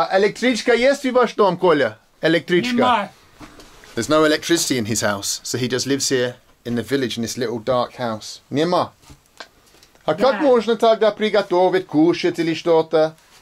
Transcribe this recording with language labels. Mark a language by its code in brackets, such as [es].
[ru] Электричка есть в ваш дом, Коля? Электричка. [en] There's no electricity in his house, so he just lives here in the village in this little dark house. [ru] Нема. А как можно тогда приготовить кушать или что-то?